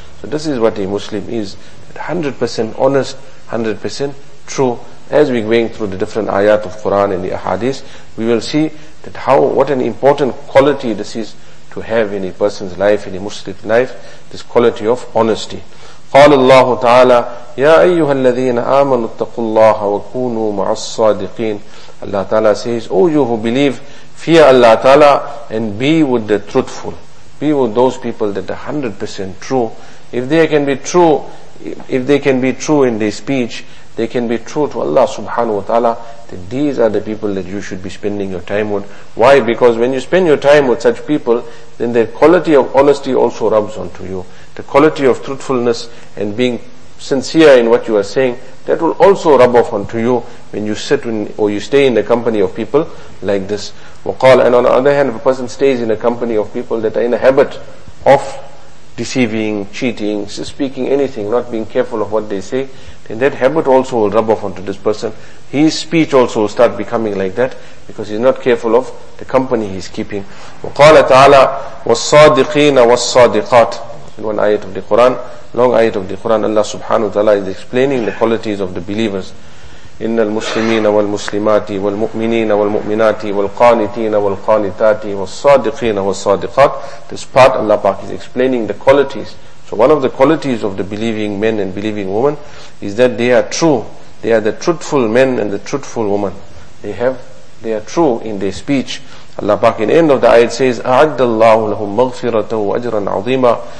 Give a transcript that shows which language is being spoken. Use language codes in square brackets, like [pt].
[en] So this is what a Muslim is, 100% honest, 100% true. As we're going through the different ayat of Quran and the ahadith, we will see that how, what an important quality this is to have in a person's life, in a Muslim life, this quality of honesty. [ar] قال الله تعالى يا أيها الذين آمنوا اتقوا الله وكونوا مع الصادقين. [en] Allah Ta'ala says, O you who believe, fear Allah Ta'ala and be with the truthful, be with those people that are 100% true. If they can be true, if they can be true in their speech, they can be true to Allah subhanahu wa ta'ala, that these are the people that you should be spending your time with. Why? Because when you spend your time with such people, then the quality of honesty also rubs onto you. The quality of truthfulness and being sincere in what you are saying, that will also rub off onto you when you sit in, or you stay in the company of people like this. [ar] وقال, [en] and on the other hand, if a person stays in a company of people that are in a habit of deceiving, cheating, speaking anything, not being careful of what they say, then that habit also will rub off onto this person. His speech also will start becoming like that, because he's not careful of the company he's keeping. [ar] وقال تعالى والصادقين والصادقات. [en] In one ayat of the Quran, long ayat of the Quran, Allah subhanahu wa ta'ala is explaining the qualities of the believers. [ar] إن المسلمين والمسلمات والمؤمنين والمؤمنات والقانتين والقانتات والصادقين والصادقات. [en] This part Allah Pak is explaining the qualities. So one of the qualities of the believing men and believing women is that they are true. They are the truthful men and the truthful woman. They are true in their speech. Allah Pak in the end of the ayat says, [ar] أَعَدَّ اللَّهُ لَهُمْ مَغْفِرَةً وَأَجْرًا عَظِيمًا.